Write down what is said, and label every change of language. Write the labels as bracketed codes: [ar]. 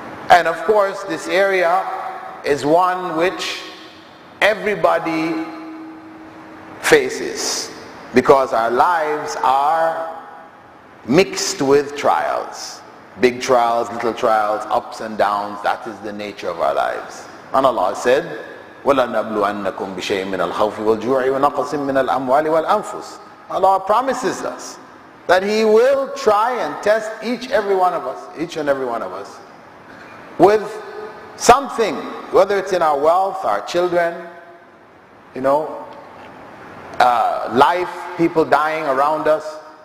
[en] And of course, this area is one which everybody faces, because our lives are mixed with trials. Big trials, little trials, ups and downs, that is the nature of our lives. And Allah said, [ar] وَلَنَبْلُوَنَّكُمْ بِشَيْءٍ مِّنَ الْخَوْفِ وَالْجُوعِ وَنَقْصٍ مِّنَ الْأَمْوَالِ وَالْأَنفُسِ. [en] Allah promises us that He will try and test each every one of us, each and every one of us, with something, whether it's in our wealth, our children, you know, life, people dying around us.